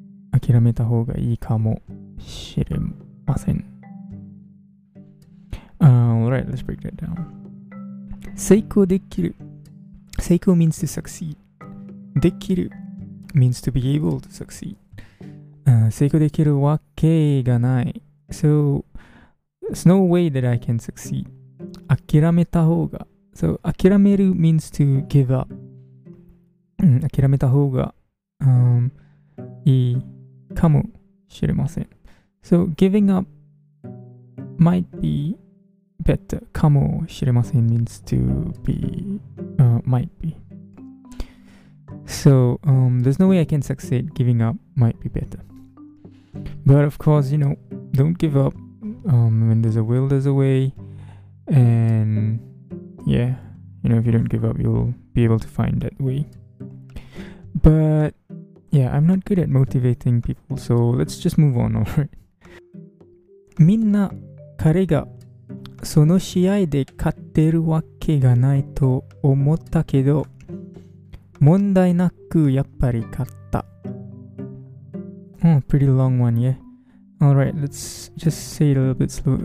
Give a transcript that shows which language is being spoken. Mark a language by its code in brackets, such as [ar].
[ja] 諦めた方がいいかもしれません。 [en] Alright, let's break that down. [ja] 成功できる。 [en] 成功 means to succeed. できる means to be able to succeed. [ja] 成功できるわけがない。 [en] So, there's no way that I can succeed. [ja] 諦めた方が。 [en] So, 諦める means to give up. [ja] 諦めた方が、いいかもしれません。 [en] So, giving up might be better. かもしれません means to be, might be. So, there's no way I can succeed. Giving up might be better. But of course, you know, don't give up. When there's a will, there's a way. And yeah, you know, if you don't give up, you'll be able to find that way. But yeah, I'm not good at motivating people, so let's just move on, alright? [ja] みんな彼がその試合で勝ってるわけがないと思ったけど、問題なくやっぱり勝った。 [en] Oh, pretty long one, yeah. Alright, let's just say it a little bit slow.